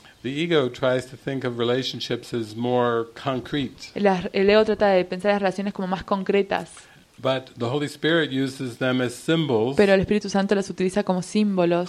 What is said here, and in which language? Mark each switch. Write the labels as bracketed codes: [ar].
[en] The ego tries to think of relationships as more concrete. [es] El ego trata de pensar las relaciones como más concretas. [en] But the Holy Spirit uses them as symbols. [es] Pero el Espíritu Santo las utiliza como símbolos.